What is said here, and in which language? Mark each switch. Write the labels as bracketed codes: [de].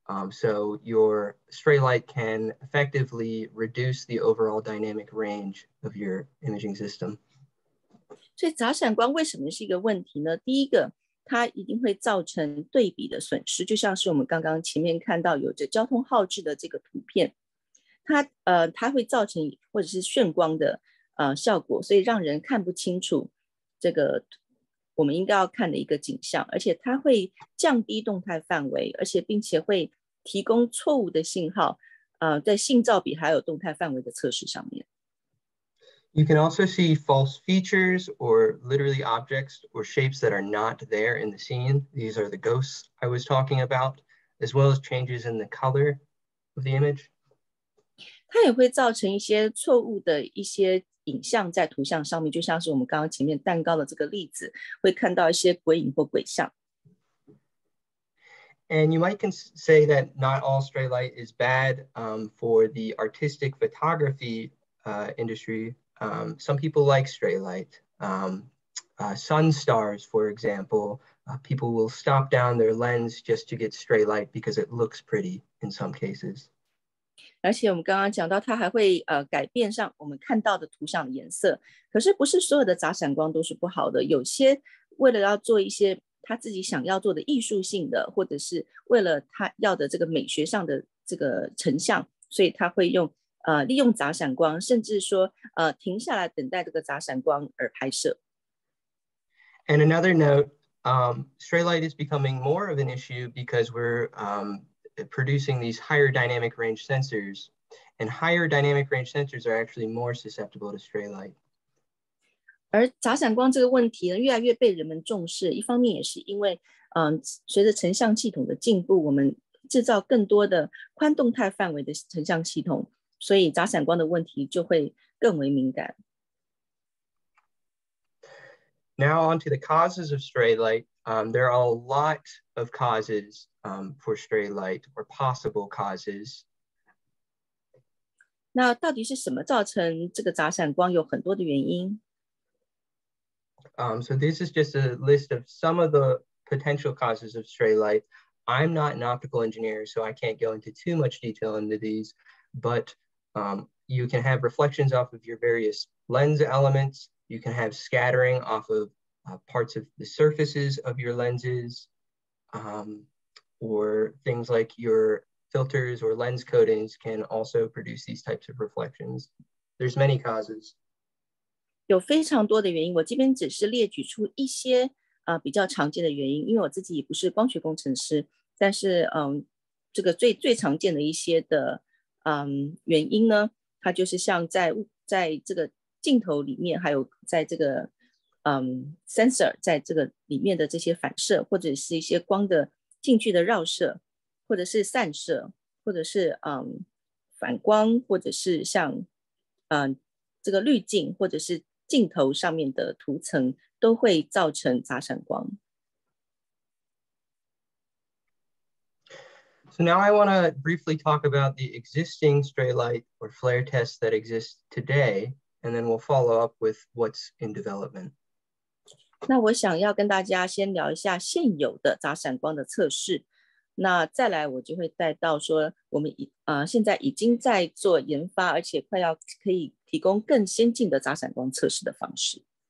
[en] So your stray light can effectively reduce the overall dynamic range of your imaging system. [zh] 所以杂闪光为什么是一个问题呢？第一个，它一定会造成对比的损失，就像是我们刚刚前面看到有着交通号志的这个图片，它会造成或者是眩光的效果，所以让人看不清楚这个我们应该要看的一个景象，而且它会降低动态范围，而且并且会提供错误的信号，在信噪比还有动态范围的测试上面。 [en] You can also see false features or literally objects or shapes that are not there in the scene. These are the ghosts I was talking about, as well as changes in the color of the image. [zh] 它也会造成一些错误的一些影像在图像上面，就像是我们刚刚前面蛋糕的这个例子，会看到一些鬼影或鬼像。 [en] And you might say that not all stray light is bad for the artistic photography industry. Some people like stray light. Sun stars, for example, people will stop down their lens just to get stray light because it looks pretty in some cases. [zh] 而且我们刚刚讲到它还会改变上我们看到的图像的颜色，可是不是所有的杂闪光都是不好的，有些为了要做一些他自己想要做的艺术性的，或者是为了他要的这个美学上的这个成像，所以他会用利用杂闪光，甚至说停下来等待这个杂闪光而拍摄。 [en] And another note, stray light is becoming more of an issue because we're producing these higher dynamic range sensors, and higher dynamic range sensors are actually more susceptible to stray light. [zh] 而杂闪光这个问题呢，越来越被人们重视，一方面也是因为随着成像系统的进步，我们制造更多的宽动态范围的成像系统。所以杂闪光的问题就会更为敏感。 [en] Now on to the causes of stray light. There are a lot of causes for stray light or possible causes. [zh] 那到底是什么造成这个杂闪光？有很多的原因。 [en] So this is just a list of some of the potential causes of stray light. I'm not an optical engineer, so I can't go into too much detail into these, but you can have reflections off of your various lens elements. You can have scattering off of parts of the surfaces of your lenses, or things like your filters or lens coatings can also produce these types of reflections. There's many causes. [zh] 有非常多的原因，我这边只是列举出一些比较常见的原因，因为我自己不是光学工程师，但是这个最最常见的一些的原因呢，它就是像在这个镜头里面，还有在这个sensor 在这个里面的这些反射，或者是一些光的进去的绕射，或者是散射，或者是反光，或者是像这个滤镜或者是镜头上面的涂层，都会造成杂闪光。 [en] So now I want to briefly talk about the existing stray light or flare tests that exist today, and then we'll follow up with what's in development. [zh] 那我想要跟大家先聊一下现有的杂闪光的测试，那再来我就会带到说我们现在已经在做研发，而且快要可以提供更先进的杂闪光测试的方式。